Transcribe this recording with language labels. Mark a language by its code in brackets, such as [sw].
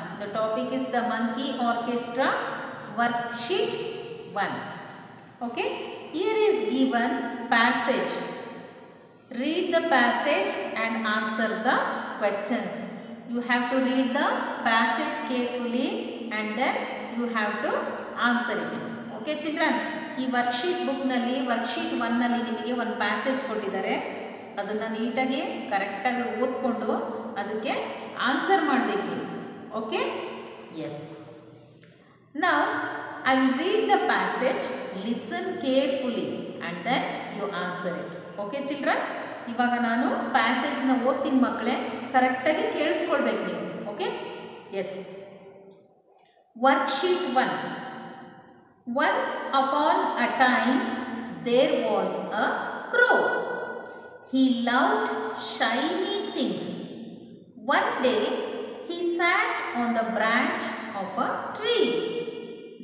[en] The topic is the monkey orchestra worksheet 1. Okay? Here is given passage. Read the passage and answer the questions. You have to read the passage carefully and then you have to answer it. Okay, children? [kn] ಈ worksheet ಬುಕ್ನಲ್ಲಿ worksheet ಒನ್ನಲ್ಲಿ ನಿಮಗೆ ಒಂದು passage ಕೊಟ್ಟಿದ್ದಾರೆ, ಅದನ್ನು ನೀಟಾಗಿ ಕರೆಕ್ಟಾಗಿ ಓದ್ಕೊಂಡು ಅದಕ್ಕೆ ಆನ್ಸರ್ ಮಾಡಬೇಕು. [en] Okay, yes. Now I will read the passage, listen carefully and then you answer it. [kn] Okay children, ಇವಾಗ ನಾನು ಪ್ಯಾಸೇಜ್ನ ಓದ್ತೀನಿ, ಮಕ್ಕಳೇ ಕರೆಕ್ಟಾಗಿ ಕೇಳಿಸ್ಕೊಳ್ಬೇಕು ನೀವು. [en] Okay, yes. Worksheet 1. Once upon a time, there was a crow. He loved shiny things. One day, he sat on the branch of a tree.